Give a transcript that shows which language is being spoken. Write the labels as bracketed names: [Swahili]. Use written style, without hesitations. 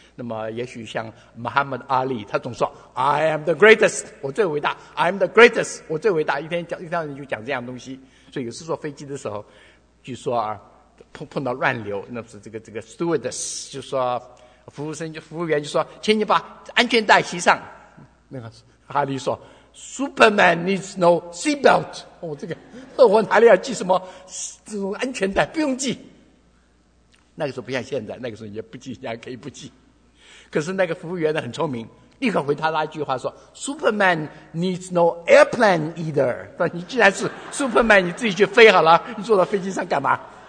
[Chinese] 那么也许像 Muhammad Ali， 他总说 I am the greatest，我最伟大， I am the greatest，我最伟大，一天你就讲这样东西。所以有时坐飞机的时候，据说啊碰到乱流，那是这个 stewardess 就说，服务员就说，请你把安全带系上。 [English] 那个哈利说，Superman needs no seatbelt。 [Chinese] 我哪里要系什么这种安全带？不用系。那个时候不像现在，那个时候也不系，人家可以不系。可是那个服务员呢很聪明，立刻回答他一句话说 ： “Superman needs no airplane either。” 你既然是 Superman， 你自己去飞好了，你坐到飞机上干嘛？